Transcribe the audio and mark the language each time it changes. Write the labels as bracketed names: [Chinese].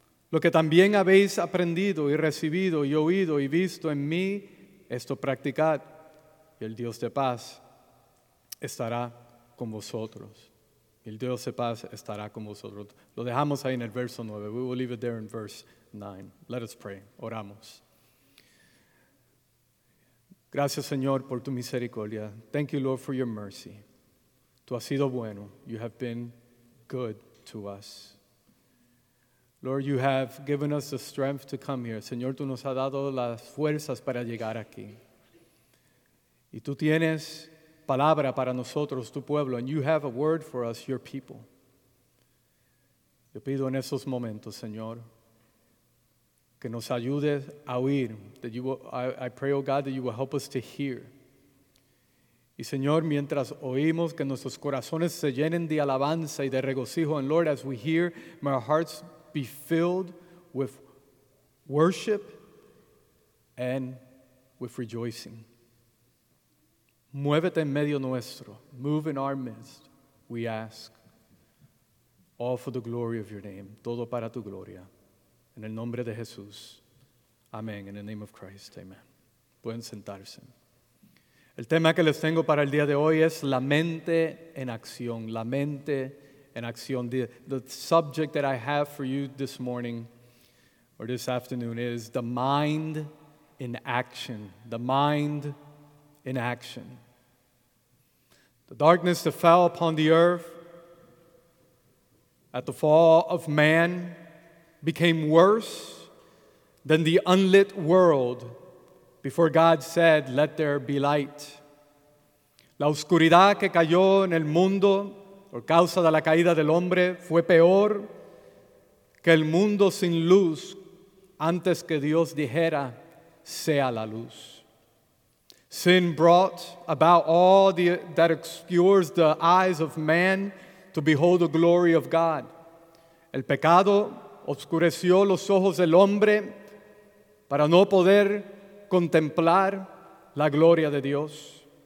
[Spanish] Lo que también habéis aprendido y recibido y oído y visto en mí, esto practicad, y el Dios de paz estará con vosotros. El Dios de paz estará con vosotros. Lo dejamos ahí en el verso 9. [English] We will leave it there in verse 9. Let us pray. [Spanish] Oramos. Gracias, Señor, por tu misericordia. [English] Thank you, Lord, for your mercy. [Spanish] Tú has sido bueno. [English] You have been good to us. Lord, you have given us the strength to come here. [Spanish] Señor, tú nos has dado las fuerzas para llegar aquí. Y tú tienes palabra para nosotros, tu pueblo, [English] and you have a word for us, your people. [Spanish] Yo pido en esos momentos, Señor, que nos ayudes a oír. [English] That you will, I pray, oh God, that you will help us to hear. [Spanish] Y Señor, mientras oímos, que nuestros corazones se llenen de alabanza y de regocijo. [English] And Lord, as we hear, my heart's be filled with worship and with rejoicing. [Spanish] Muévete en medio nuestro. [English] Move in our midst, we ask. All for the glory of your name. [Spanish] Todo para tu gloria. En el nombre de Jesús. Amén. [English] In the name of Christ, amen. [Spanish] Pueden sentarse. El tema que les tengo para el día de hoy es la mente en acción. La mente en acción. [English] In action, the subject that I have for you this morning or this afternoon is the mind in action. The mind in action. The darkness that fell upon the earth at the fall of man became worse than the unlit world before God said, "Let there be light." [Spanish] La oscuridad que cayó en el mundo por causa de la caída del hombre, fue peor que el mundo sin luz antes que Dios dijera, sea la luz. [English] Sin brought about all that obscures the eyes of man to behold the glory of God. [Spanish] El pecado oscureció los ojos del hombre para no poder contemplar la gloria de Dios.